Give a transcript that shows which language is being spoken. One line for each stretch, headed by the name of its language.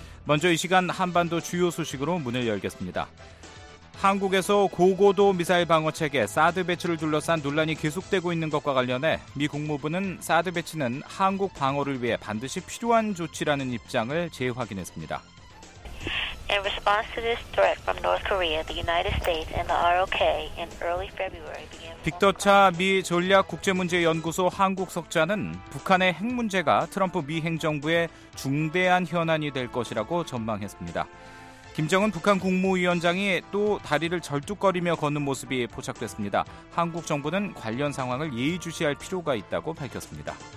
Korean: 먼저 이 시간 한반도 주요 소식으로 문을 열겠습니다. 한국에서 고고도 미사일 방어 체계 사드 배치를 둘러싼 논란이 계속되고 있는 것과 관련해 미 국무부는 사드 배치는 한국 방어를 위해 반드시 필요한 조치라는 입장을 재확인했습니다.
English: In response to this threat from North Korea, the United States and the ROK in early February began.
Korean: 빅터 차 미 전략 국제 문제 연구소 한국 석좌는 북한의 핵 문제가 트럼프 미 행정부의 중대한 현안이 될 것이라고 전망했습니다. 김정은 북한 국무위원장이 또 다리를 절뚝거리며 걷는 모습이 포착됐습니다. 한국 정부는 관련 상황을 예의주시할 필요가 있다고 밝혔습니다.